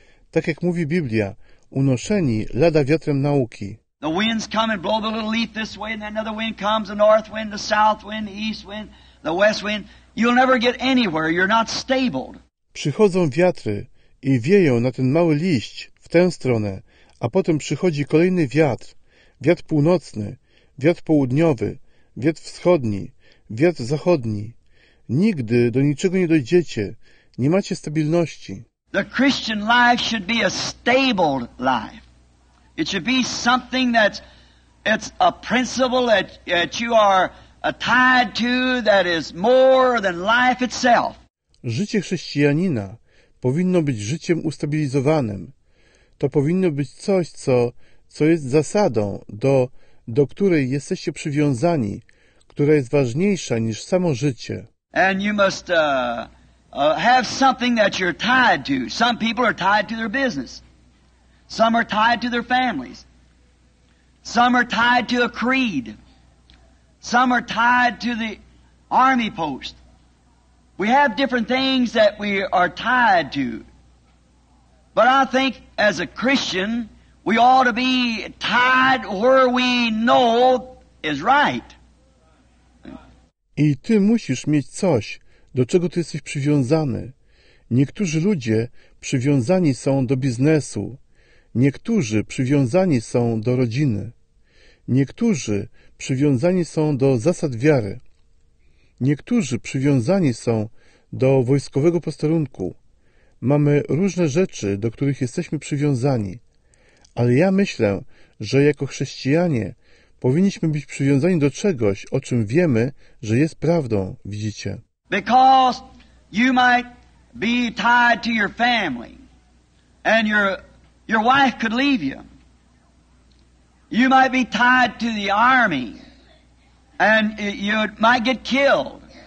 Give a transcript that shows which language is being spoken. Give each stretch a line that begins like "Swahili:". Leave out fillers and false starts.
Polish: tak jak mówi Biblia, unoszeni lada wiatrem nauki.
English: The winds come and blow the little leaf this way, and another wind comes, the north wind, the south wind, the east wind, the west wind. You'll never get anywhere. You're not stable.
Polish: Przychodzą wiatry i wieją na ten mały liść w tę stronę, a potem przychodzi kolejny wiatr. Wiatr północny, wiatr południowy, wiatr wschodni, wiatr zachodni. Nigdy do niczego nie dojdziecie. Nie macie stabilności.
English: The Christian life should be a stable life. It should be something it's a principle that you are tied to that is more than life itself.
Polish: Życie chrześcijanina powinno być życiem ustabilizowanym. To powinno być coś, co jest zasadą, do której jesteście przywiązani, która jest ważniejsza niż samo życie.
English: And you must have something that you're tied to. Some people are tied to their business. Some are tied to their families. Some are tied to a creed. Some are tied to the army post. We have different things that we are tied to. But I think as a Christian, we ought to be tied where we know is right.
Polish: I ty musisz mieć coś, do czego ty jesteś przywiązany. Niektórzy ludzie przywiązani są do biznesu. Niektórzy przywiązani są do rodziny. Niektórzy przywiązani są do zasad wiary. Niektórzy przywiązani są do wojskowego posterunku. Mamy różne rzeczy, do których jesteśmy przywiązani. Ale ja myślę, że jako chrześcijanie powinniśmy być przywiązani do czegoś, o czym wiemy, że jest prawdą, widzicie.
English: Because you might be tied to your family and your wife could leave you. You might be tied to the army and you might get killed.